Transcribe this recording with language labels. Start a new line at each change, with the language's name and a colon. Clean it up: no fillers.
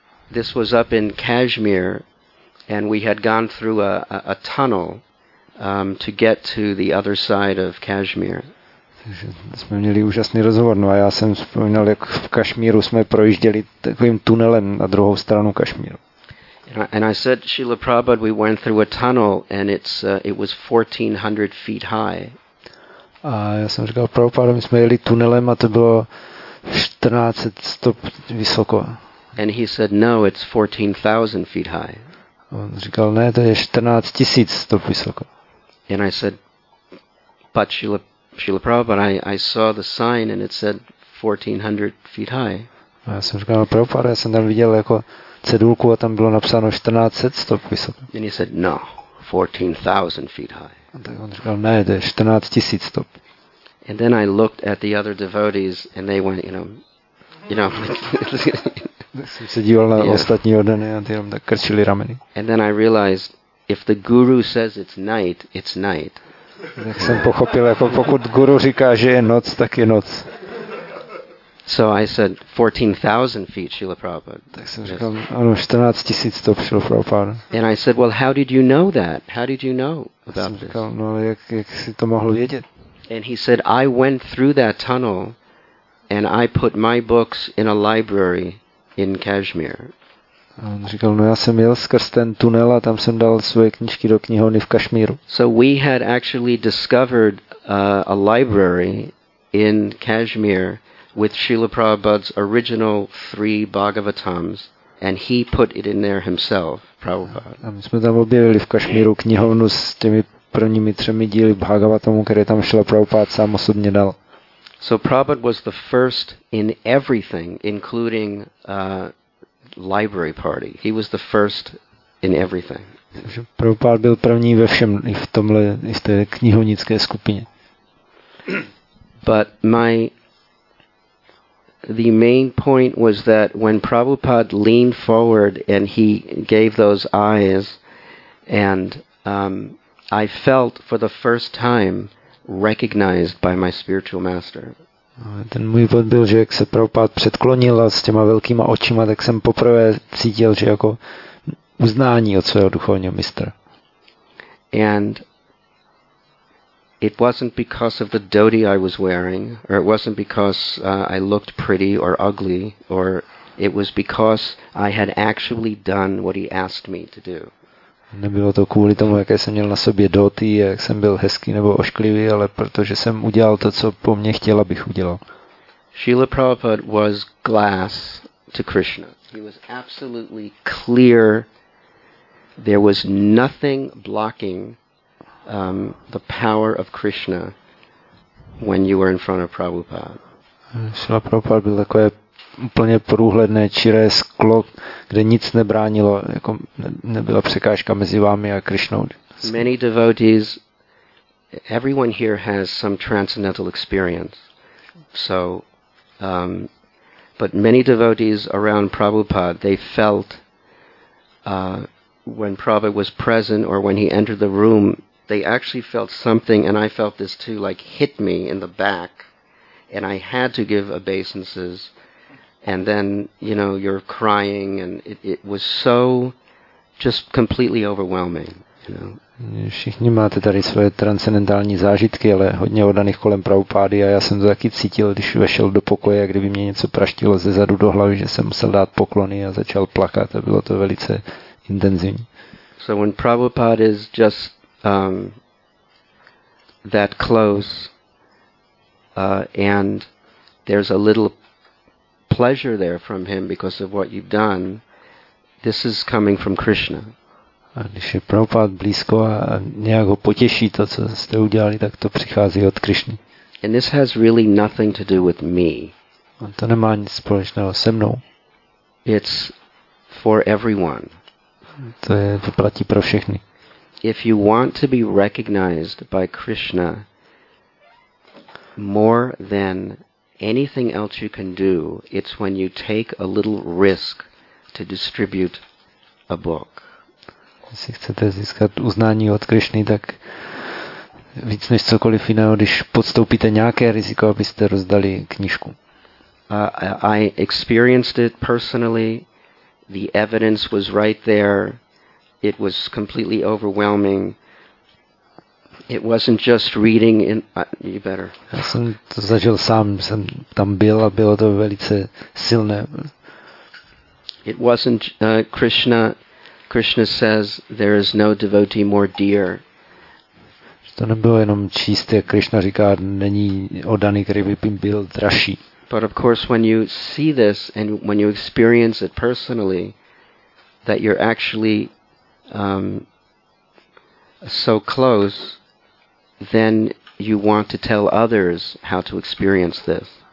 English: This was up in Kashmir, and we had gone through a tunnel to get to the other side of Kashmir.
Czech: Takže jsme měli úžasný rozhovor. No a já jsem vzpomínal, jak v Kašmíru jsme projížděli takovým tunelem na druhou stranu Kašmíru.
English: And I said, Srila Prabhupada, we went through a tunnel and it was 1400 feet high.
Czech: A já jsem říkal, Prabhupada, my jsme jeli tunelem a to bylo 1400 stop vysoko.
English: And he said, no, it's 14,000 feet high.
Czech: On říkal, ne, to je 14,000 stop vysoko.
English: And I said, but Srila Prabhupada, I saw the sign and it said 1400 feet high.
Czech: A já jsem říkal, Prabhupada, já jsem tam viděl jako cedulku a tam bylo napsáno 1400 stop vysoko.
English: And he said, no, 14,000 feet high.
Czech: A tak on říkal, ne, to je 14,000 stop.
English: And then I looked at the other devotees and they went, you know, like,
Czech: jsem se díval na ostatní ordeny a ty jenom tak krčili rameny.
English: And then I realized, if the guru says it's night, it's night.
Czech: Tak jsem pochopil, jako pokud guru říká, že je noc, tak je noc.
English: So I said 14,000 feet, Srila Prabhupada.
Czech: Tak jsem říkal, ano, 14,000 stop, Srila Prabhupada.
English: And I said, well, how did you know that? How did you know about this?
Czech: Já jsem říkal, no, jak jsi to mohl vědět?
English: And he said, I went through that tunnel and I put my books in a library in Kashmir.
Czech: A on říkal, no já jsem jel skrz ten tunel a tam jsem dal svoje knížky do knihovny v Kašmíru.
English: So we had actually discovered a library in Kashmir with Srila Prabhupada's original three Bhagavatams and he put it in there himself, Prabhupada.
Czech: A my jsme tam objevili v Kašmíru knihovnu s těmi prvními třemi díly Bhagavatamu, které tam Srila Prabhupada sám osobně dal.
English: So Prabhupada was the first in everything, including library party. He was the first in everything.
Czech: Prabhupada byl první ve všem, i v tomhle, i v té knihovnické skupině.
English: But the main point was that when Prabhupada leaned forward and he gave those eyes, and I felt for the first time recognized by my spiritual master.
Czech: Ten můj bod byl, že jak se Prabhupada předklonil a s těma velkýma očima, tak jsem poprvé cítil, že jako uznání od svého duchovního mistra.
English: And it wasn't because of the dhoti I was wearing, or it wasn't because I looked pretty or ugly, or it was because I had actually done what he asked me to do.
Czech: Nebylo to kvůli tomu, jaké jsem měl na sobě doty, jak jsem byl hezký nebo ošklivý, ale protože jsem udělal to, co po mně chtěl, abych udělal.
English: Srila Prabhupada was glass to Krishna. He was absolutely clear. There was nothing blocking the power of Krishna when you were in front of Prabhupada.
Czech: Srila Prabhupada byl takové úplně průhledné, čiré sklo, kde nic nebránilo, jako nebyla překážka mezi vámi a Krišnou.
English: Many devotees, everyone here has some transcendental experience. So, but many devotees around Prabhupada, they felt when Prabhupada was present or when he entered the room, they actually felt something, and I felt this too, like hit me in the back, and I had to give obeisances. And then, you know, you're crying and it was so just completely overwhelming, you know.
Czech: Všichni máte tady svoje transcendentální zážitky, ale hodně oddaných kolem Prabhupády a já jsem to taky cítil, když vešel do pokoje, jak kdyby mě něco praštilo ze zadu do hlavy, že jsem musel dát poklony a začal plakat a bylo to velice intenzivní.
English: So when Prabhupada is just that close and there's a little pleasure there from him because of what you've done, this is coming from Krishna.
Czech: A když je Prabhupada blízko a nějak ho potěší to, co jste udělali, tak to přichází od Krišny.
English: And this has really nothing to do with me.
Czech: A to nemá nic společného se mnou.
English: It's for everyone.
Czech: To platí pro všechny.
English: If you want to be recognized by Krishna more than anything else you can do, it's when you take a little risk to distribute a book.
Czech: Jestli chcete získat uznání od Krišny, tak víc než cokoliv jiného, když podstoupíte nějaké riziko, abyste rozdali knížku.
English: I experienced it personally. The evidence was right there. It was completely overwhelming. It wasn't just reading in you better.
Czech: Já jsem to zažil sám, jsem tam byl a bylo to velice silné.
English: It wasn't Krishna. Krishna says there is no devotee more dear.
Czech: To nebylo jenom čisté. Krishna říká, není oddaný, který by byl dražší.
English: But of course when you see this and when you experience it personally, that you're actually so close, then you want to tell others how to experience this.